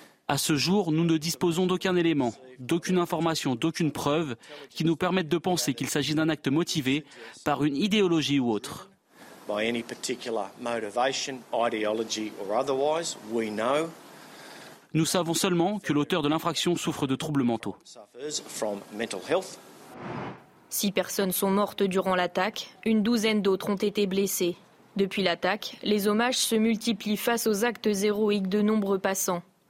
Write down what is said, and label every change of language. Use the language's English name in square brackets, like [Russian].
[French] À ce jour, nous ne disposons d'aucun élément, d'aucune information, d'aucune preuve qui nous permette de penser qu'il s'agit d'un acte motivé par une idéologie ou autre. [English] By any particular motivation, ideology or otherwise, we know. [French] Nous savons seulement que l'auteur de l'infraction souffre de troubles mentaux. 6 personnes sont mortes durant l'attaque, une douzaine d'autres ont été blessées. Depuis l'attaque, les hommages se multiplient face aux actes héroïques de nombreux passants.